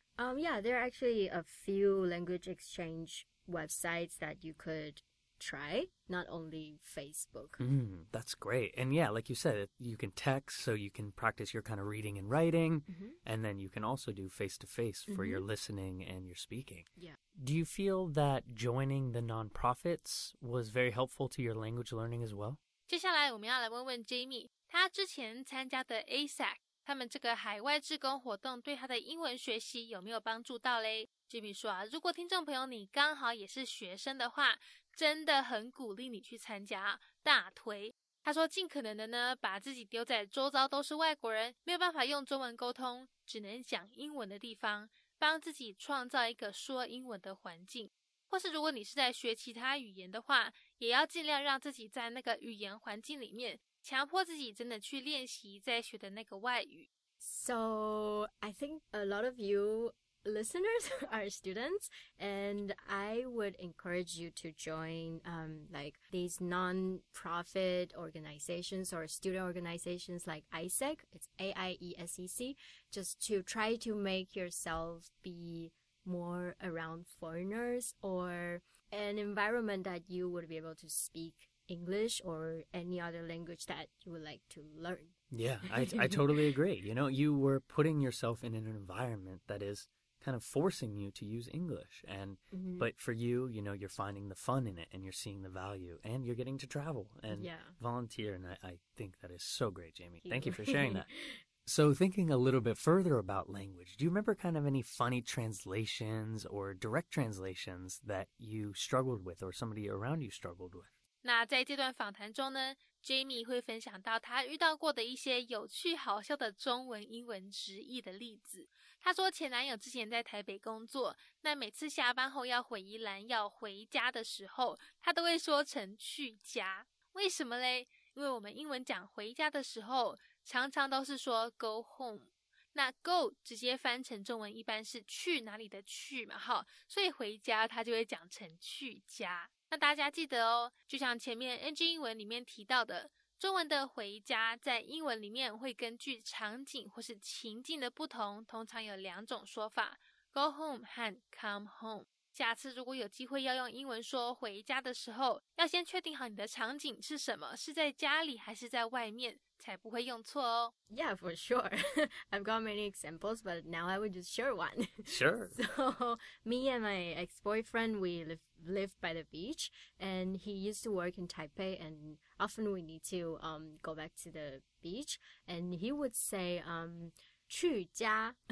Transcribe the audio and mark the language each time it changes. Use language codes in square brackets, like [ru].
[en] There are actually a few language exchange websites that you could try, not only Facebook. That's great. And yeah, like you said, you can text, so you can practice your kind of reading and writing, and then you can also do face-to-face for your listening and your speaking. Yeah. Do you feel that joining the nonprofits was very helpful to your language learning as well? [zh] 接下来我们要来问问 Jamie, 他之前参加的 ASAC, 他们这个海外志工活动对他的英文学习有没有帮助到嘞? Jamie 说啊，如果听众朋友你刚好也是学生的话，真的很鼓励你去参加，大推。他说尽可能的呢，把自己丢在周遭都是外国人，没有办法用中文沟通，只能讲英文的地方，帮自己创造一个说英文的环境。或是如果你是在学其他语言的话，也要尽量让自己在那个语言环境里面，强迫自己真的去练习在学的那个外语。 [en] So, I think a lot of you... listeners are students, and I would encourage you to join like these non-profit organizations or student organizations like AIESEC, it's AIESEC, just to try to make yourself be more around foreigners or an environment that you would be able to speak English or any other language that you would like to learn. Yeah, I totally agree. You know, you were putting yourself in an environment that is... kind of forcing you to use English. And, but for you, you know, you're finding the fun in it and you're seeing the value and you're getting to travel and volunteer. And I think that is so great, Jamie. Thank you for sharing that. So thinking a little bit further about language, do you remember kind of any funny translations or direct translations that you struggled with or somebody around you struggled with? [zh] 那在这段访谈中呢 ,Jamie 会分享到他遇到过的一些有趣好笑的中文英文直译的例子。他说前男友之前在台北工作，那每次下班后要回宜兰要回家的时候，他都会说成去家。为什么嘞？因为我们英文讲回家的时候常常都是说 go home。那 go 直接翻成中文一般是去哪里的去嘛，所以回家他就会讲成去家。那大家记得哦，就像前面 NG 英文里面提到的，中文的回家在英文里面会根据场景或是情境的不同，通常有两种说法， go home 和 come home。下次如果有机会要用英文说回家的时候，要先确定好你的场景是什么，是在家里还是在外面，才不会用错哦。 [en] Yeah, for sure. I've got many examples, but now I would just share one. Sure. So, me and my ex-boyfriend, we live by the beach, and he used to work in Taipei, and often we need to go back to the beach, and he would say, [zh] 去家